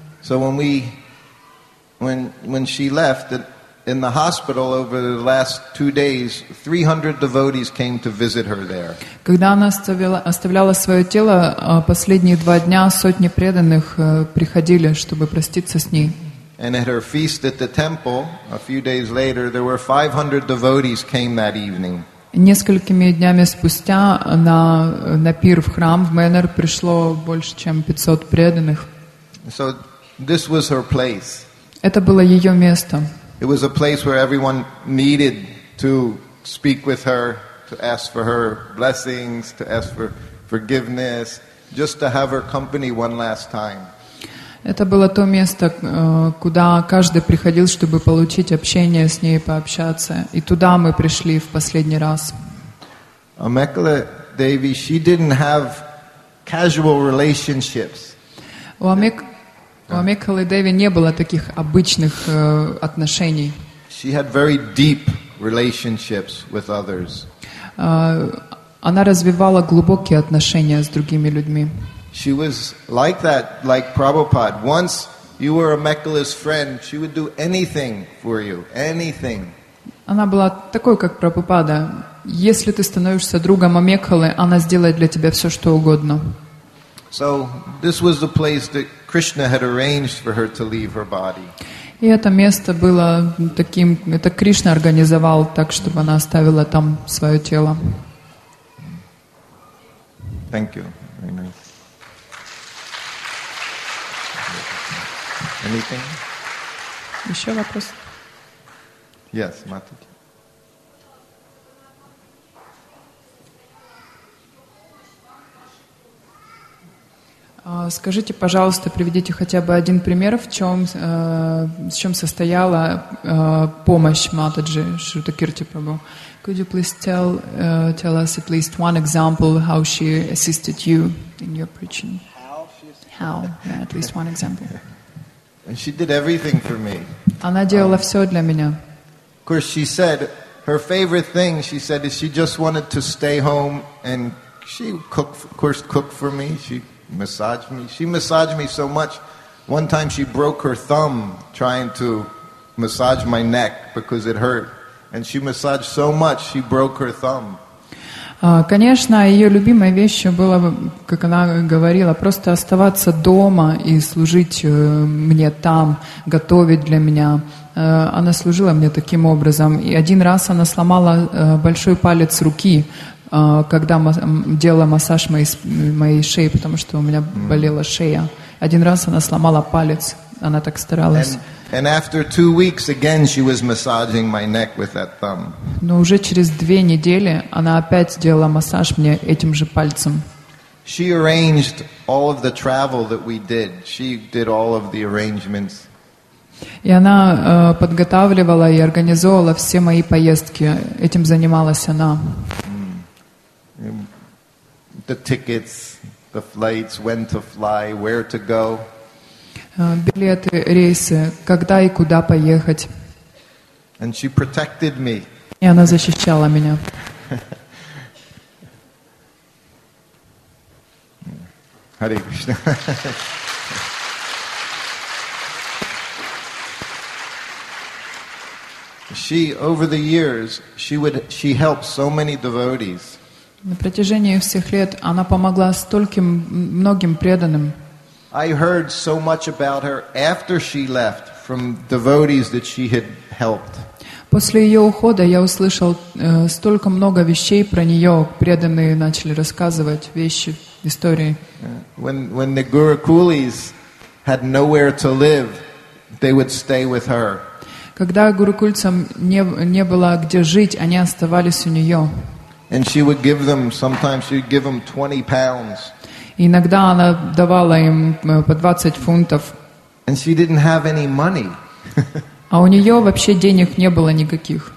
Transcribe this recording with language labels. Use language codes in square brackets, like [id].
[en] So when she left in the hospital over the last 2 days, 300 devotees came to visit her there. [ru] Когда она оставляла свое тело, последние два дня сотни преданных приходили, чтобы проститься с ней. [en] And at her feast at the temple, a few days later, there were 500 devotees came that evening. [ru] Несколькими днями спустя на пир в храм в Мэнор пришло больше, чем 500 преданных. [en] So this was her place. [ru] Это было ее место. [en] It was a place where everyone needed to speak with her, to ask for her blessings, to ask for forgiveness, just to have her company one last time. [ru] Это было то место, куда каждый приходил, чтобы получить общение с ней, пообщаться. И туда мы пришли в последний раз. [en] Amekala Devi, she didn't have casual relationships. [ru] У Амекалы Деви не было таких обычных отношений. [en] She had very deep relationships with others. [ru] Она развивала глубокие отношения с другими людьми. [en] She was like that, like Prabhupada. Once you were Amekala's friend, she would do anything for you, anything. [ru] Она была такой, как Прабхупада. Если ты становишься другом Амекалы, она сделает для тебя все, что угодно. [en] So this was the place that Krishna had arranged for her to leave her body. [ru] И это место было таким, это Кришна организовал так, чтобы она оставила там свое тело. [en] Thank you. Very nice. Anything? [ru] Еще вопрос? [en] Yes, Матаджи. [ru] Скажите, пожалуйста, приведите хотя бы один пример, в чем состояла помощь Матаджи Шрута Кирти Прабху. [en] Could you please tell us at least one example how she assisted you in your preaching? How? Yeah, at least one example. And she did everything for me. [ru] Она делала все для меня. [en] Of course, she said her favorite thing. She said is she just wanted to stay home and she cook, of course, cook for me. She massaged me. She massaged me so much. One time, she broke her thumb trying to massage my neck because it hurt. And she massaged so much, she broke her thumb. [ru] Конечно, ее любимой вещью было, как она говорила, просто оставаться дома и служить мне там, готовить для меня. Она служила мне таким образом. И один раз она сломала большой палец руки, когда делала массаж моей шеи, потому что у меня болела шея. Один раз она сломала палец, она так старалась. [en] And after 2 weeks, again, she was massaging my neck with that thumb. [ru] Но уже через две недели она опять делала массаж мне этим же пальцем. [en] She arranged all of the travel that we did. She did all of the arrangements. [ru] И она подготавливала и организовывала все мои поездки. Этим занималась она. [en] The tickets, the flights, when to fly, where to go. [ru] Билеты, рейсы, когда и куда поехать. [en] And she protected me. И она защищала меня. Hare Krishna. She, over the years, she helped so many devotees. [ru] На протяжении всех лет она помогла стольким многим преданным. [en] I heard so much about her after she left from devotees that she had helped. [ru] После ее ухода я услышал столько много вещей про нее, преданные начали рассказывать вещи, истории. [en] When the Gurukulis had nowhere to live, they would stay with her. [ru] Когда гурукульцам не было где жить, они оставались у нее. [en] And she would give them, sometimes she would give them 20 pounds. [ru] Иногда она давала им по 20 фунтов. [en] And she didn't have any money. [ru] А у нее вообще денег не было никаких.